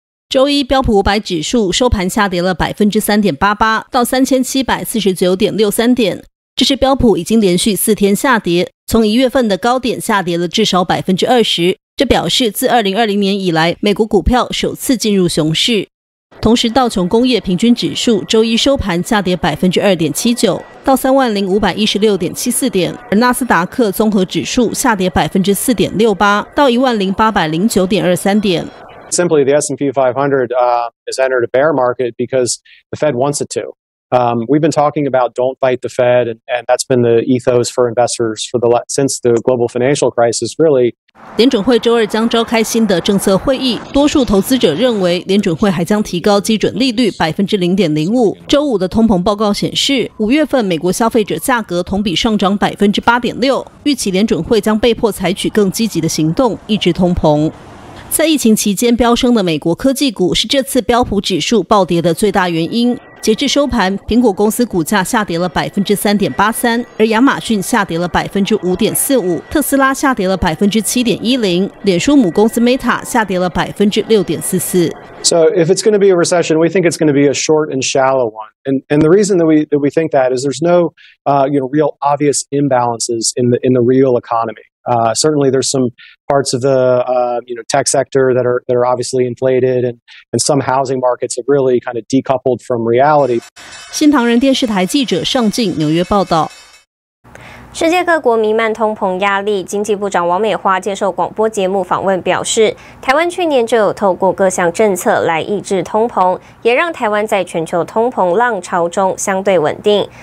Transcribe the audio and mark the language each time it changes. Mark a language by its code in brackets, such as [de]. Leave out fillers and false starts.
[zh] 周一标普500指数收盘下跌了3.88%，到3749.63点，这是标普已经连续4天下跌，从1月份的高点下跌了至少20%，这表示自2020年以来美国股票首次进入熊市。同时道琼工业平均指数周一收盘下跌2.79%，到30516.74点，而纳斯达克综合指数下跌4.68%，到10809.23点。 [en] Simply the S&P 500 has entered a bear market because the Fed wants it to. We've been talking about don't fight the Fed, and that's been the ethos for investors since the global financial crisis, really. [zh] 联准会周二将召开新的政策会议，多数投资者认为联准会还将提高基准利率0.05%。周五的通膨报告显示，五月份美国消费者价格同比上涨8.6%，预期联准会将被迫采取更积极的行动抑制通膨。在疫情期间飙升的美国科技股是这次标普指数暴跌的最大原因。截至收盘，苹果公司股价下跌了3.83%，而亚马逊下跌了5.45%，特斯拉下跌了7.10%，脸书母公司 Meta 下跌了6.44%。 [en] So if it's going to be a recession, we think it's going to be a short and shallow one. And the reason that we think that is there's no, real obvious imbalances in the real economy. Certainly there's some parts of the tech sector that are obviously inflated and some housing markets have really kind of decoupled from reality. [zh] 新唐人电视台记者尚静纽约报道。世界各国弥漫通膨压力，经济部长王美花接受广播节目访问表示，台湾去年就有透过各项政策来抑制通膨，也让台湾在全球通膨浪潮中相对稳定。